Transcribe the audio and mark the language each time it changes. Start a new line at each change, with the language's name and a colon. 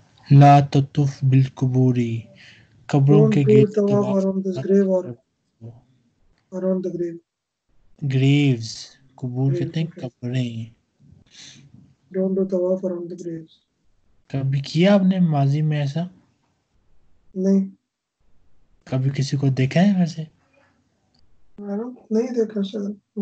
Arabic: لا تطف بالقبور
Urdu: قبروں کے get
English: don't do طواف around this grave or around the grave
Urdu: graves قبور کہتے ہیں قبریں
English: don't do طواف around the graves
Urdu: کبھی کیا آپ نے ماضی میں ایسا نہیں کبھی کسی کو دیکھا ہے ویسے نہیں دیکھا شاید